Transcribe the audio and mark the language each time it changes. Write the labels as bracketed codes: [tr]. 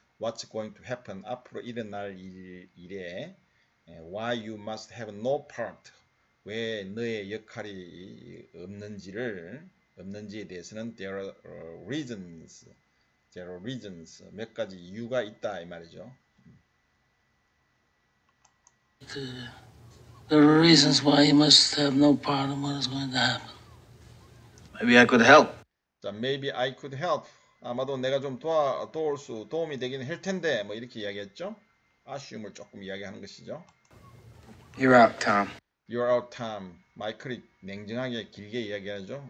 [en] What's going to happen? [ko] 앞으로 일어날 일에 [en] why you must have no part? [ko] 왜 너의 역할이 없는지에 대해서는 [en] there are reasons. There are reasons. [ko] 몇 가지 이유가 있다 이 말이죠. [en] There are reasons why you must have no part in what is going to happen. Maybe I could help. Maybe I could help. [ko] 아마도 내가 좀 도움이 되긴 할 텐데 뭐 이렇게 이야기했죠. 아쉬움을 조금 이야기하는 것이죠. [en] You're out, Tom. You're out, Tom. [ko] 마이클이 냉정하게 길게 이야기하죠.